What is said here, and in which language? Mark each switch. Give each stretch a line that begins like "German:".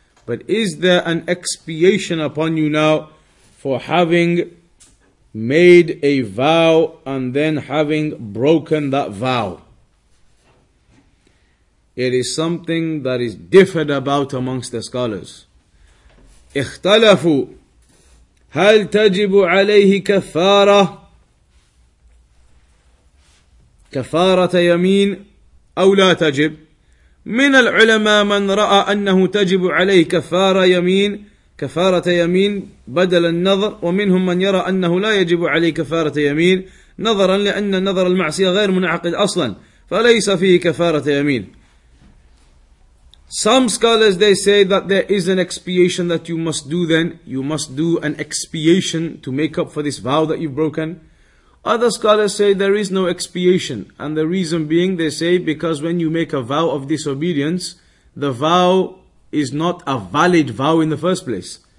English: But is there an expiation upon you now for having made a vow and then having broken that vow? It is something that is differed about amongst the scholars.
Arabic: اختلفوا هل تجب عليه كفارة كفارة يمين أو لا تجب. من العلماء من رأى أنه تجب عليه كفارة يمين كفارة يمين بدل النظر، ومنهم من يرى أنه لا يجب عليه كفارة يمين نظرا لأن نظر المعصية غير منعقد أصلا فليس فيه كفارة يمين.
English: Some scholars, they say that there is an expiation that you must do then. You must do an expiation to make up for this vow that you've broken. Other scholars say there is no expiation. And the reason being, they say, because when you make a vow of disobedience, the vow is not a valid vow in the first place.